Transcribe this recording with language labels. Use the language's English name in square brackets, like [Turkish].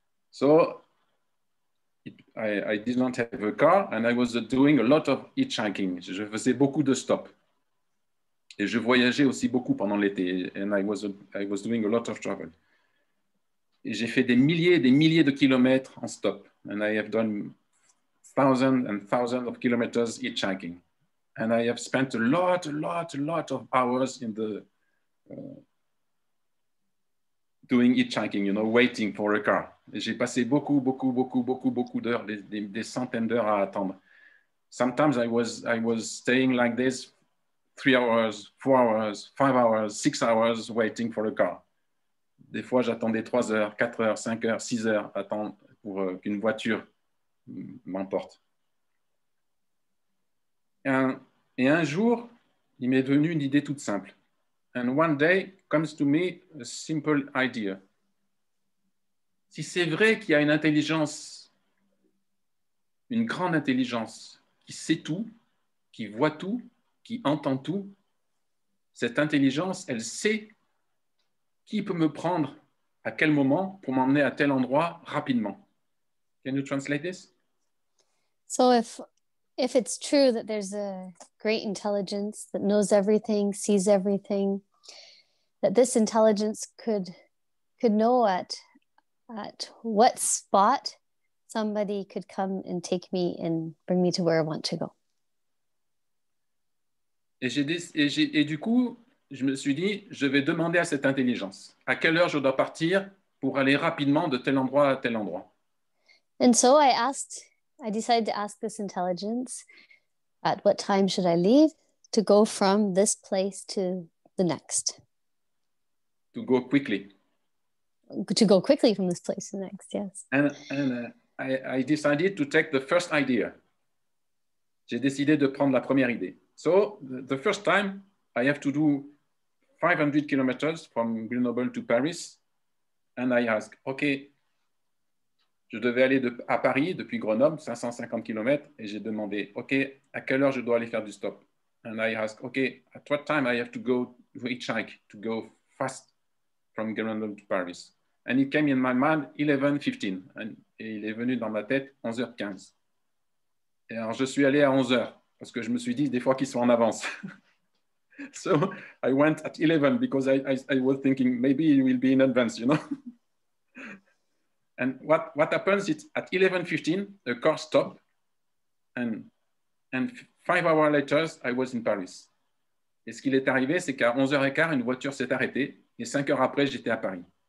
[English] So I did not have a car and I was doing a lot of hitchhiking. [French] Je faisais beaucoup de stops. Et je voyageais aussi beaucoup pendant l'été. [English] And I was doing a lot of travel. [French] Et j'ai fait des milliers de kilomètres en stop. [English] And I have done thousands and thousands of kilometers hitchhiking. And I have spent a lot of hours in the doing hitchhiking, you know, waiting for a car. [French] Et j'ai passé beaucoup d'heures, des centaines d'heures à attendre. [English] Sometimes I was staying like this 3 hours, 4 hours, 5 hours, 6 hours waiting for a car. [French] Des fois, j'attendais 3 heures, 4 heures, 5 heures, 6 heures pour qu'une voiture m'emporte. Et un jour, il m'est venu une idée toute simple. [English] And one day comes to me a simple idea. [French] Si c'est vrai qu'il y a une intelligence, une grande intelligence qui sait tout, qui voit tout, qui entend tout, cette intelligence, elle sait qui peut me prendre à quel moment pour m'emmener à tel endroit rapidement. [English] Can you translate this? So if it's true that there's a great intelligence that knows everything, sees everything, that this intelligence could know at at what spot somebody could come and take me and bring me to where I want to go. [French] Et du coup, je me suis dit, je vais demander à cette intelligence à quelle heure je dois partir pour aller rapidement de tel endroit à tel endroit. [English] And so I decided to ask this intelligence, at what time should I leave to go from this place to the next? To go quickly. To go quickly from this place to the next, yes. And I decided to take the first idea. [French] J'ai décidé de prendre la première idée. [English] So the first time I have to do 500 kilometers from Grenoble to Paris, and I ask, okay, [French] je devais aller à Paris depuis Grenoble, 550 kilometers, et j'ai demandé, okay, à quelle heure je dois aller faire du stop? [English] And I ask, okay, at what time I have to go hitchhike to go fast from Grenoble to Paris? And it came in my mind 11:15, [French] et il est venu dans ma tête 11h15. Et alors je suis allé à 11h. Parce que je me suis dit des fois qu'ils sont en avance. [English] So I went at 11 because I was thinking maybe it will be in advance, you know. And what happens is at 11:15 the car stopped, and 5 hours later I was in Paris. [French] Et ce qui est arrivé, c'est qu'à 11h15 une voiture s'est arrêtée et 5 heures après j'étais à Paris.